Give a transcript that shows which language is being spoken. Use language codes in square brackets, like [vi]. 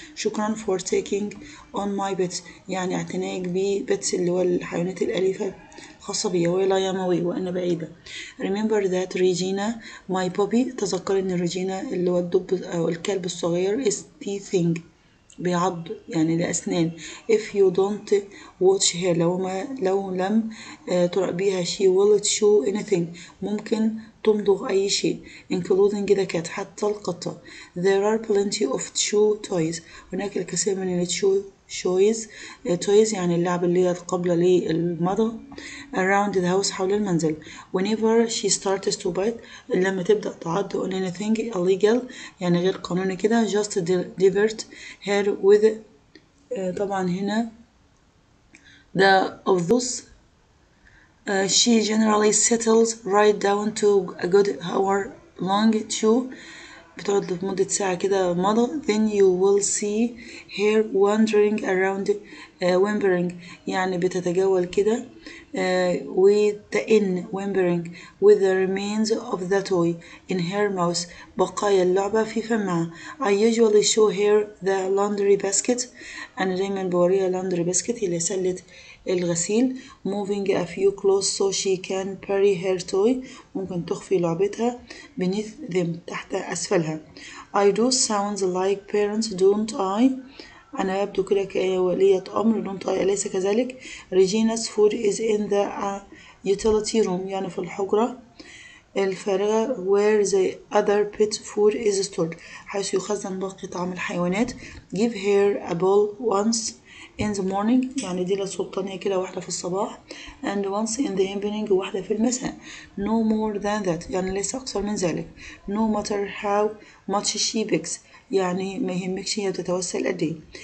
[ar] شكرا [en] for taking on my pet. [ar] يعني اعتنائك ببيت اللي هو الحيوانات الأليفة خاصة بي. [en] Well, I am away. [ar] وأنا بعيدة. [en] Remember that Regina, my puppy. [ar] تذكر إن ريجينا اللي هو الدب أو الكلب الصغير [en] is teething. [ar] بيعض يعني الأسنان. [en] If you don't watch her, [ar] لو ما لو لم تراقبيها, [en] she will show anything. [ar] ممكن تمضغ أي شيء, [en] including the cat, [ar] حتى القطة. [en] There are plenty of chew toys. [ar] هناك الكثير من التشو شويز تويز يعني اللعب اللي هي قبل للمضغ. [en] Around the house, [ar] حول المنزل. [en] Whenever she starts to bite, [ar] لما تبدأ تعض [en] on anything illegal [ar] يعني غير قانوني كده, [en] just divert her with [ar] طبعا هنا [en] the of those she generally settles right down to a good hour long chew. [ar] بتقعد لمدة ساعة كده مضى. [en] Then you will see her wandering around whimpering. [ar] يعني بتتجول كده [en] with the in whimpering with the remains of the toy in her mouth. [ar] بقايا اللعبة في فمها. [en] I usually show her the laundry basket. [ar] أنا دايما بوريها laundry basket اللي سلة الغسيل. [en] Moving a few clothes so she can bury her toy. [ar] ممكن تخفي لعبتها [en] beneath them [ar] تحت أسفلها. [en] I do sounds like parents, don't I? [ar] أنا يبدو كده كولية أمر, [en] don't I? [ar] أليس كذلك؟ [en] Regina's food is in the utility room [ar] يعني في الحجرة الفارغة [en] where the other pet food is stored [ar] حيث يخزن باقي طعام الحيوانات. [en] Give her a bowl once in the morning [ar] يعني دي للسلطانية كده واحدة في الصباح. [en] And once in the evening [ar] واحدة في المساء. [en] No more than that [ar] يعني ليس أكثر من ذلك. [en] No matter how much she begs [ar] يعني ما يهمكش هي بتتوسل قد ايه.